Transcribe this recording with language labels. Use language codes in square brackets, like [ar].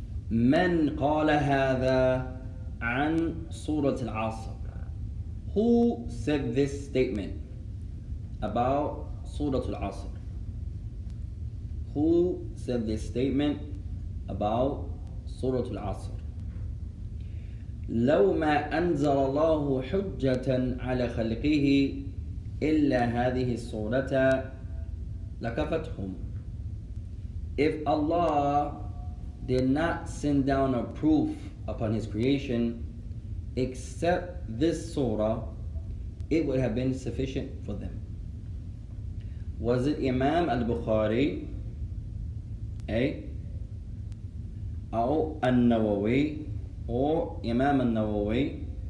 [ar] من قال هذا عن سورة العصر. [en] Who said this statement about سورة العصر? Who said this statement about سورة العصر? [ar] لو ما أنزل الله حجة على خلقه إلا هذه السورة لكفتهم. [en] If Allah did not send down a proof upon His creation, except this surah, it would have been sufficient for them. Was it Imam al-Bukhari, or al-Nawawi, or Imam al-Nawawi?